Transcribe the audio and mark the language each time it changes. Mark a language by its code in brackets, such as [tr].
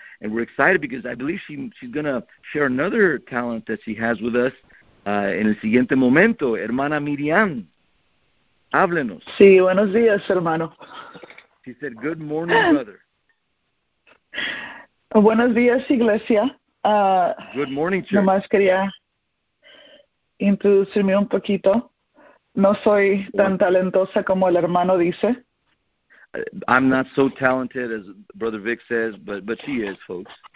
[en] And we're excited because I believe she's going to share another talent that she has with us [es] en el siguiente momento. Hermana Miriam, háblenos. Sí, buenos días, hermano. [en] She said, good morning, brother. [es] Buenos días, iglesia. [en] Good morning, church. [es] Nomás quería introducirme un poquito. No soy tan talentosa como el hermano dice. [en] I'm not so talented as Brother Vic says, but she is, folks.